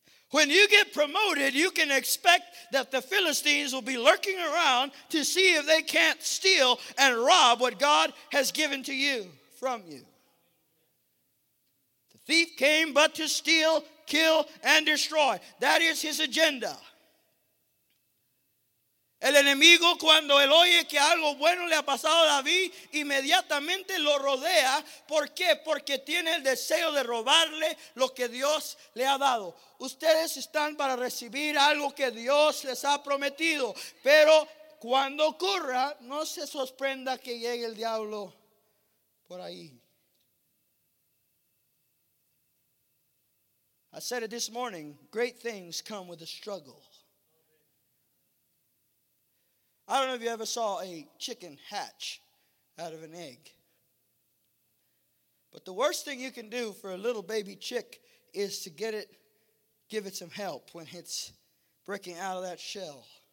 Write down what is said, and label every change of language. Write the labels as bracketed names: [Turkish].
[English] When you get promoted, you can expect that the Philistines will be lurking around to see if they can't steal and rob what God has given to you from you. The thief came but to steal, kill, and destroy. That is his agenda. [Spanish] El enemigo, cuando él oye que algo bueno le ha pasado a David, inmediatamente lo rodea. ¿Por qué? Porque tiene el deseo de robarle lo que Dios le ha dado. Ustedes están para recibir algo que Dios les ha prometido. Pero cuando ocurra, no se sorprenda que llegue el diablo por ahí. [English] I said it this morning, great things come with a struggle. I don't know if you ever saw a chicken hatch out of an egg. But the worst thing you can do for a little baby chick is to give it some help when it's breaking out of that shell.